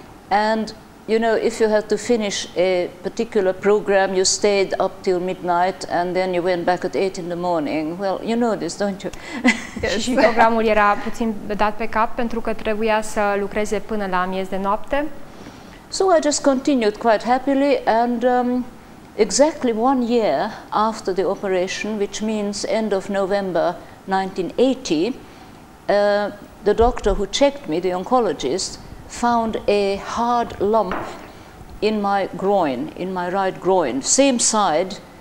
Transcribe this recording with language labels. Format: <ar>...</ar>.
<en>And you know, if you had to finish a particular program, you stayed up till midnight and then you went back at 8 in the morning. Well, you know this, don't you? Yes.</en> <ro>Și programul era puțin dat pe cap pentru că trebuia să lucreze până la miez de noapte.</ro> <en>So I just continued quite happily and exactly 1 year after the operation, which means end of November 1980, the doctor who checked me, the oncologist, found a hard lump in my groin, in my right groin, same side</en>